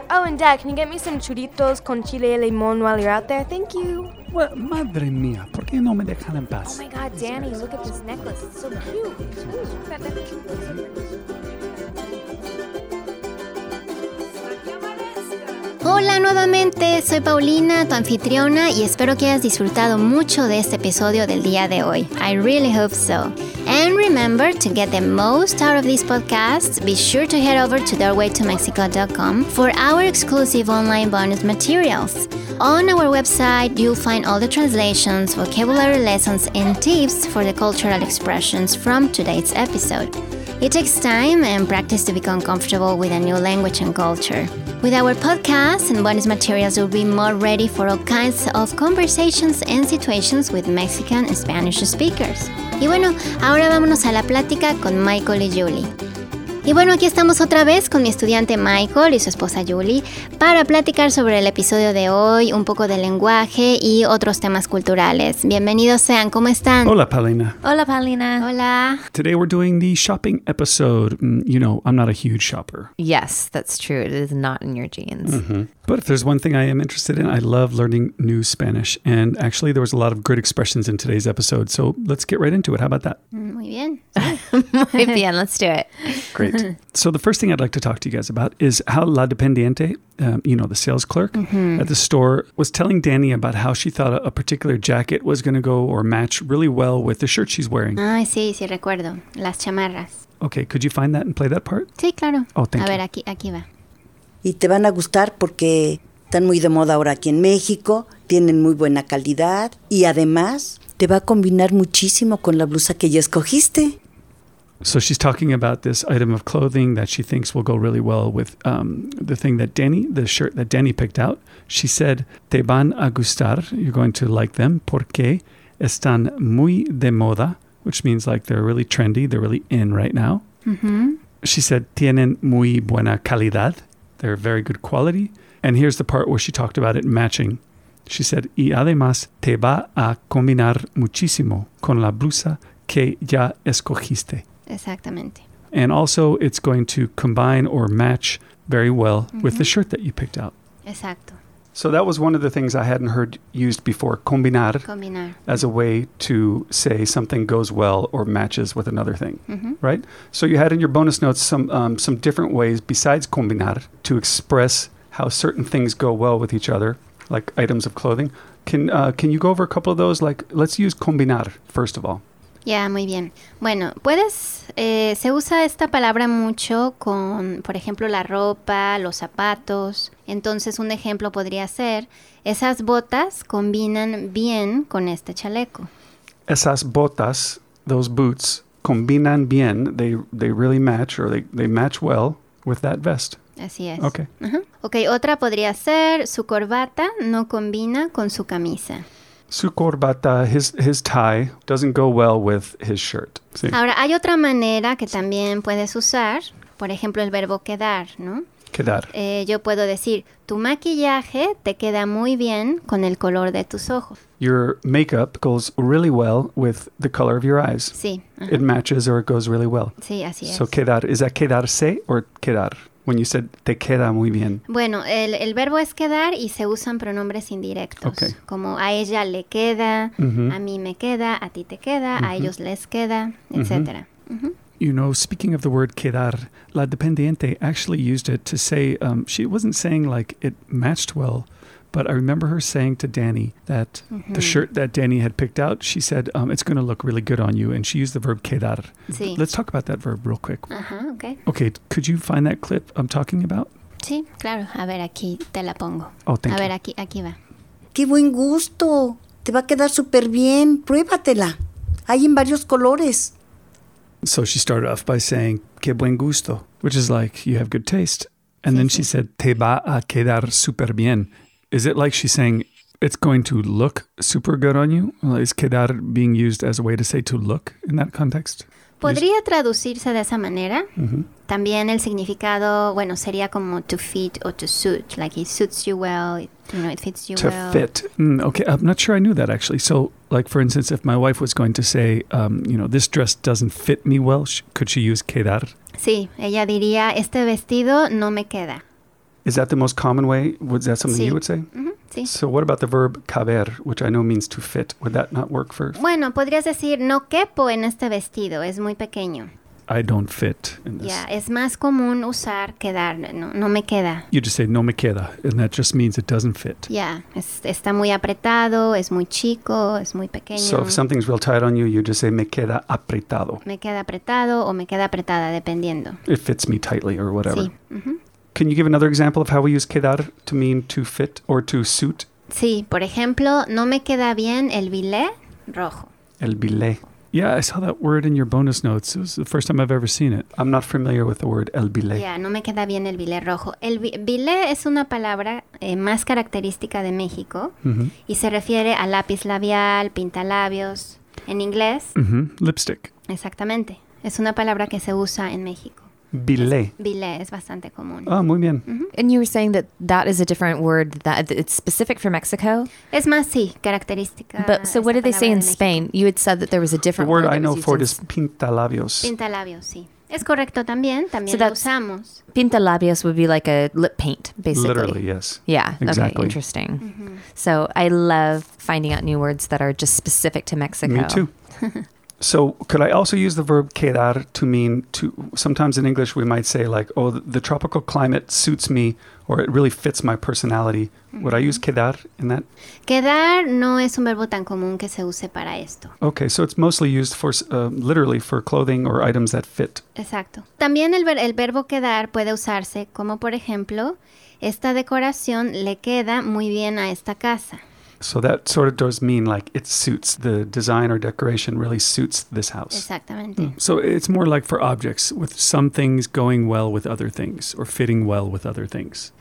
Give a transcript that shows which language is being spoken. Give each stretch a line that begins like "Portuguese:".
English: Oh, and Dad, can you get me some
Spanish: churritos con chile y limón
English: while you're out there? Thank you.
Spanish: Well, madre mía, ¿por qué no me dejan en paz?
English: Oh my God, Danny, look at this necklace. It's so cute.
Spanish: Hola nuevamente, soy Paulina, tu anfitriona, y espero que hayas disfrutado mucho de este episodio del día de hoy.
English: I really hope so. And remember, to get the most out of this podcast, be sure to head over to doorwaytomexico.com for our exclusive online bonus materials. On our website, you'll find all the translations, vocabulary lessons, and tips for the cultural expressions from today's episode. It takes time and practice to become comfortable with a new language and culture. With our podcast and bonus materials, you'll be more ready for all kinds of conversations and situations with Mexican and Spanish speakers.
Spanish: Y bueno, ahora vámonos a la plática con Michael y Julie. Y bueno, aquí estamos otra vez con mi estudiante Michael y su esposa Julie para platicar sobre el episodio de hoy, un poco del lenguaje y otros temas culturales. Bienvenidos sean, ¿cómo están? Hola, Paulina. Hola, Paulina. Hola.
English: Today we're doing the shopping episode. You know, I'm not a huge shopper. Yes, that's true. It is not in your genes. Mm-hmm. But if there's one thing I am interested in, I love learning new Spanish. And actually, there was a lot of good expressions in today's episode. So let's get right into it. How about that?
Spanish: Muy bien. Muy bien.
English: Let's do it. Great. So the first thing I'd like to talk to you guys about is how La Dependiente, you know, the sales clerk mm-hmm. at the store, was telling Danny about how she thought a particular jacket was going to go or match really well with the shirt she's wearing.
Spanish: Ah, sí, recuerdo. Las chamarras.
English: Okay. Could you find that and play that part?
Spanish: Sí, claro.
English: Oh, thank you.
Spanish: A ver, aquí va. Y te van a gustar porque están muy de moda ahora aquí en México, tienen muy buena calidad y además te va a combinar muchísimo con la blusa que ya escogiste.
English: So she's talking about this item of clothing that she thinks will go really well with the thing that Danny, the shirt that Danny picked out. She said,
Spanish: te van a gustar,
English: you're going to like them,
Spanish: porque están muy de moda,
English: which means like they're really trendy, they're really in right now. Mm-hmm. She said,
Spanish: tienen muy buena calidad.
English: They're very good quality. And here's the part where she talked about it matching. She said,
Spanish: y además te va a combinar muchísimo con la blusa que ya escogiste. Exactamente.
English: And also it's going to combine or match very well mm-hmm. with the shirt that you picked out.
Spanish: Exacto.
English: So that was one of the things I hadn't heard used before, combinar.
Spanish: Combinar.
English: As a way to say something goes well or matches with another thing, mm-hmm. right? So you had in your bonus notes some different ways besides combinar to express how certain things go well with each other, like items of clothing. Can you go over a couple of those? Like, let's use combinar, first of all.
Spanish: Yeah, muy bien. Bueno, puedes, se usa esta palabra mucho con, por ejemplo, la ropa, los zapatos. Entonces, un ejemplo podría ser, esas botas combinan bien con este chaleco. Esas botas
English: those boots
Spanish: combinan bien,
English: they really match, or they match well with that vest.
Spanish: Así es.
English: Okay. Uh-huh.
Spanish: Okay, otra podría ser, su corbata no combina con su camisa. Su corbata,
English: his tie, doesn't go well with his shirt.
Spanish: Sí. Ahora, hay otra manera que también puedes usar, por ejemplo, el verbo quedar, ¿no? Quedar. Yo puedo decir, tu maquillaje te queda muy bien con el color de tus ojos.
English: Your makeup goes really well with the color of your eyes.
Spanish: Sí.
English: Uh-huh. It matches or it goes really well.
Spanish: Sí, así es.
English: So quedar, is that quedarse or quedar? When you said,
Spanish: te queda muy bien. Bueno, el verbo es quedar y se usan pronombres indirectos.
English: Okay.
Spanish: Como a ella le queda, mm-hmm. a mí me queda, a ti te queda, mm-hmm. a ellos les queda, etc. Mm-hmm. Mm-hmm.
English: You know, speaking of the word quedar, la dependiente actually used it to say, she wasn't saying like it matched well, but I remember her saying to Danny that mm-hmm. the shirt that Danny had picked out, she said, it's going to look really good on you. And she used the verb quedar.
Spanish: Sí.
English: Let's talk about that verb real quick. Uh-huh, okay. Okay, could you find that clip I'm talking about?
Spanish: Sí, claro. A ver, aquí te la pongo.
English: Oh, thank you.
Spanish: A ver, aquí va. ¡Qué buen gusto! Te va a quedar súper bien. Pruébatela. Hay en varios colores.
English: So she started off by saying,
Spanish: qué buen gusto,
English: which is like, you have good taste. And then she said,
Spanish: te va a quedar súper bien.
English: Is it like she's saying, it's going to look super good on you? Is quedar being used as a way to say to look in that context?
Spanish: Podría traducirse de esa manera. Mm-hmm. También el significado, bueno, sería como
English: to fit or to suit. Like, it suits you well, you know, it fits you to well. To fit. Okay, I'm not sure I knew that, actually. So, like, for instance, if my wife was going to say, you know, this dress doesn't fit me well, could she use quedar?
Spanish: Sí, ella diría, este vestido no me queda.
English: Is that the most common way? Was that something
Spanish: sí.
English: you would say?
Spanish: Mm-hmm. Sí.
English: So what about the verb caber, which I know means to fit? Would that not work for...
Spanish: Bueno, podrías decir, no quepo en este vestido, es muy pequeño.
English: I don't fit in this.
Spanish: Yeah, es más común usar quedar, no me queda.
English: You just say,
Spanish: no me queda,
English: and that just means it doesn't fit.
Spanish: Yeah, está muy apretado, es muy chico, es muy pequeño.
English: So if something's real tight on you, you just say,
Spanish: me queda apretado. Me queda apretado o me queda apretada, dependiendo.
English: It fits me tightly or whatever.
Spanish: Sí, mm-hmm.
English: Can you give another example of how we use quedar to mean to fit or to suit?
Spanish: Sí, por ejemplo, no me queda bien el bilé rojo. El bilé.
English: Yeah, I saw that word in your bonus notes. It was the first time I've ever seen it. I'm not familiar with the word el bilé.
Spanish: Yeah, no me queda bien el bilé rojo. El bilé es una palabra más característica de México mm-hmm. y se refiere a lápiz labial, pintalabios, en inglés.
English: Mm-hmm. Lipstick.
Spanish: Exactamente. Es una palabra que se usa en México. Bilé. Bilé es bastante común. Ah, oh, muy bien. Mm-hmm.
English: And you were saying that that is a different word, that it's specific for Mexico?
Spanish: Es más, sí, característica.
English: But so what did they say in Spain? México. You had said that there was a different word. The word I know for it is pintalabios.
Spanish: Pintalabios, sí. Es correcto también, también so lo usamos.
English: Pintalabios would be like a lip paint, basically. Literally, yes. Yeah, exactly. Okay, interesting. Mm-hmm. So I love finding out new words that are just specific to Mexico. Me too. So could I also use the verb quedar to mean to, sometimes in English we might say like, oh, the tropical climate suits me or it really fits my personality. Mm-hmm. Would I use quedar in that?
Spanish: Quedar no es un verbo tan común que se use para esto.
English: Okay, so it's mostly used for literally for clothing or items that fit.
Spanish: Exacto. También el verbo quedar puede usarse como, por ejemplo, esta decoración le queda muy bien a esta casa.
English: So that sort of does mean like it suits, the design or decoration really suits this house.
Spanish: Exactamente. Mm.
English: So it's more like for objects, with some things going well with other things or fitting well with other things.